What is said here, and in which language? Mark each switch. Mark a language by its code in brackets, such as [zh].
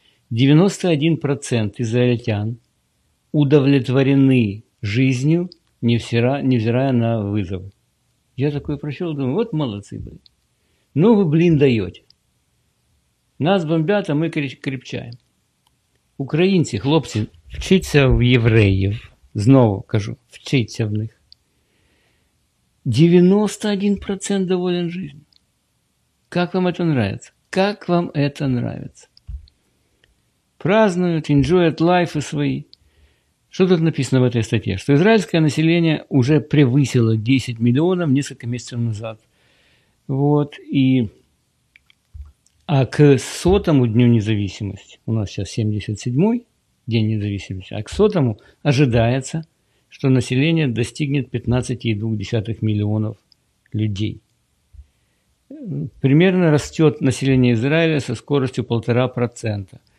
[ru] 91% израильтян удовлетворены жизнью, невзирая на вызовы. Я такое прочел, думаю, вот молодцы, блин. Ну вы, блин, даете. Нас бомбят, а мы крепчаем. [uk] Українці, хлопці, вчиться в євреїв. Знову кажу, вчиться в них. 91% [ru] доволен [uk] життям. Як вам це [ru] нравится? [uk] Як вам це [ru] нравится? [uk] Празднують, enjoyят лайфи свої. Що тут написано в цій статті? Що ізраїльське населення вже [ru] превысило [uk] 10 мільйонів кілька місяців назад. [ru] Вот, і... А к 100-му Дню Независимости, у нас сейчас 77-й День Независимости, а к 100-му ожидается, что население достигнет 15,2 миллионов людей. Примерно растет население Израиля со скоростью 1,5%.